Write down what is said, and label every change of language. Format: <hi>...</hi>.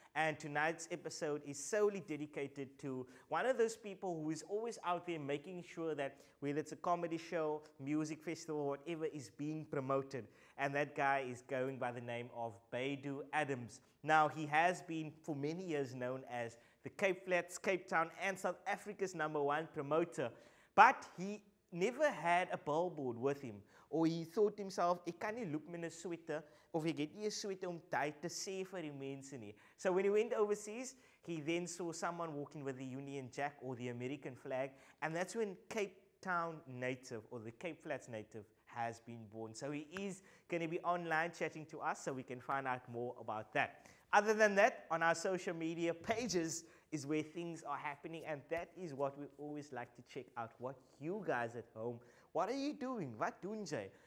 <en>And tonight's episode is solely dedicated to one of those people who is always out there making sure that whether it's a comedy show, music festival, whatever is being promoted. And that guy is going by the name of Baydu Adams. Now, he has been for many years known as the Cape Flats, Cape Town, and South Africa's number one promoter. But he never had a billboard with him.</en> <af>Or he thought to himself, ek kan nie loop met 'n sweater of ek het nie 'n sweater om tyd te sê vir die mense nie.</af> <en>So when he went overseas, he then saw someone walking with the Union Jack or the American flag, and that's when Cape Town native or the Cape Flats native has been born. So he is going to be online chatting to us so we can find out more about that. Other than that, on our social media pages is where things are happening, and that is what we always like to check out, what you guys at home, what are you doing? What doing, Jay?</en>